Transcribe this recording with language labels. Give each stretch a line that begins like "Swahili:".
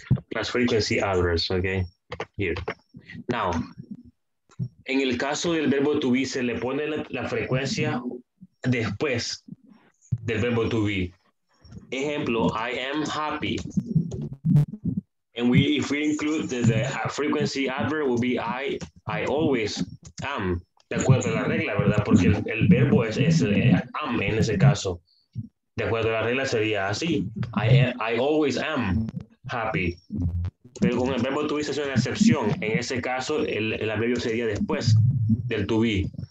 English: Plus frequency address, okay. Here.
Spanish: Now, en el caso del verbo to be, se le pone la frecuencia después del verbo to be.
English: Ejemplo, I am happy. And if we include the frequency adverb, will be I always am.
Spanish: De acuerdo a la regla, ¿verdad? Porque el verbo es am en ese caso. De acuerdo a la regla sería así.
English: I always am happy.
Spanish: Pero con el verbo to be se hace una excepción. En ese caso, el adverbio sería después del to be.